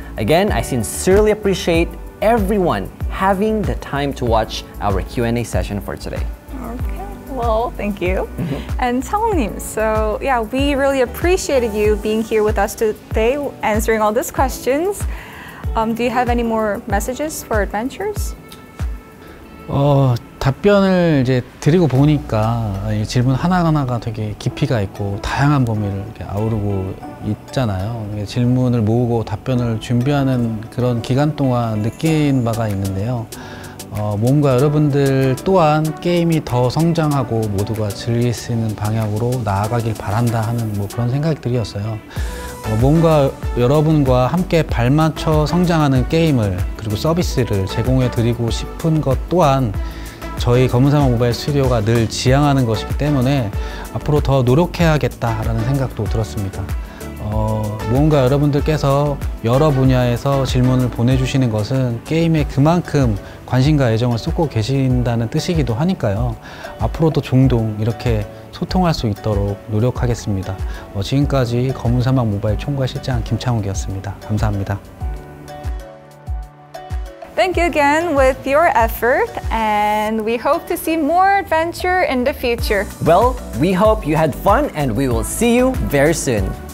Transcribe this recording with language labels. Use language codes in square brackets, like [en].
[en] Again, I sincerely appreciate everyone having the time to watch our Q&A session for today. Well, thank you. And Changong-nim, so yeah, we really appreciated you being here with us today, answering all these questions. Do you have any more messages for adventurers? [ko] 답변을 이제 드리고 보니까 질문 하나하나가 되게 깊이가 있고 다양한 범위를 이렇게 아우르고 있잖아요. 질문을 모으고 답변을 준비하는 그런 기간 동안 느낀 바가 있는데요. 몸과 여러분들 또한 게임이 더 성장하고 모두가 즐길 수 있는 방향으로 나아가길 바란다 하는 뭐 그런 생각들이었어요. 몸과 여러분과 함께 발맞춰 성장하는 게임을 그리고 서비스를 제공해 드리고 싶은 것 또한 저희 검은사막 모바일 스튜디오가 늘 지향하는 것이기 때문에 앞으로 더 노력해야겠다라는 생각도 들었습니다. 무언가 여러분들께서 여러 분야에서 질문을 보내주시는 것은 게임에 그만큼 관심과 애정을 쏟고 계신다는 뜻이기도 하니까요. 앞으로도 종종 이렇게 소통할 수 있도록 노력하겠습니다. 지금까지 검은사막 모바일 총괄실장 김창욱이었습니다. 감사합니다. [en] Thank you again with your effort, and we hope to see more adventure in the future. Well, we hope you had fun, and we will see you very soon.